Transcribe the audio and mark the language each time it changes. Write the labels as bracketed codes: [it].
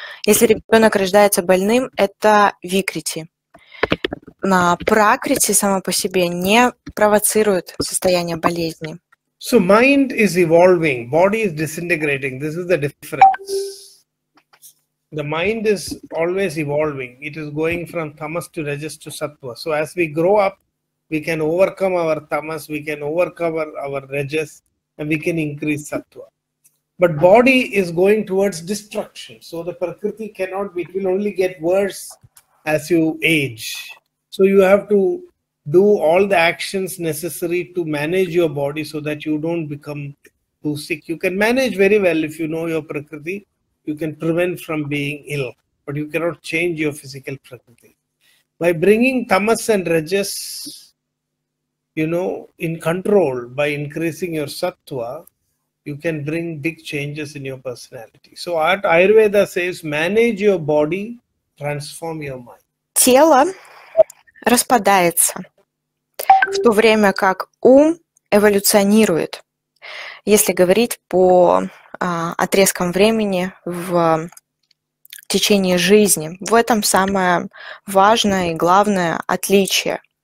[ru] Если ребенок рождается больным, это викрити. На пракрити само по себе не провоцирует состояние болезни. [en] So mind is evolving, body is disintegrating. This is the difference. The mind is always evolving. It is going from tamas to rajas to sattva. So as we grow up, we can overcome our tamas, we can overcome our rajas, and we can increase sattva. But body is going towards destruction. So the prakriti cannot be, it will only get worse as you age. So you have to do all the actions necessary to manage your body so that you don't become too sick. You can manage very well if you know your prakriti. You can prevent from being ill, but you cannot change your physical prakriti. By bringing tamas and rajas, you know, in control, by increasing your sattva, you can bring big changes in your personality. So Ayurveda says, manage your body, transform your mind. [ru] Тело распадается, в то время как ум эволюционирует, если говорить по отрезкам времени в течение жизни. В этом самое важное и главное отличие.